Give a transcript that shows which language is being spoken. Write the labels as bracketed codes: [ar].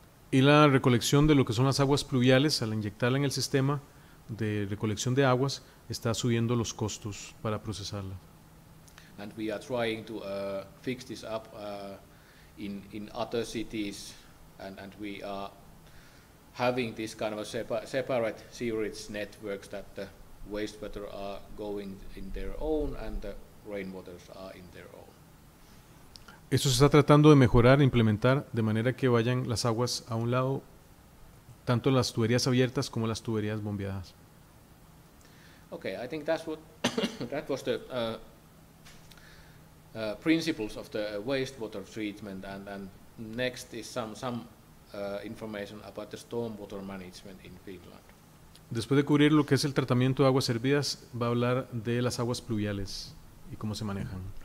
[es] Y la recolección de lo que son las aguas pluviales al inyectarla en el sistema de recolección de aguas está subiendo los costos para procesarla. [en] And we are trying to fix this up in other cities and we are having this kind of a separate sewerage networks that the wastewater are going in their own and the rainwaters are in their own. [es] Esto se está tratando de mejorar e implementar de manera que vayan las aguas a un lado, tanto las tuberías abiertas como las tuberías bombeadas. [en] Okay, I think that's that was the principles of the wastewater treatment and next is some information about the stormwater management in Finland. [es] Después de cubrir lo que es el tratamiento de aguas hervidas, va a hablar de las aguas pluviales y cómo se manejan.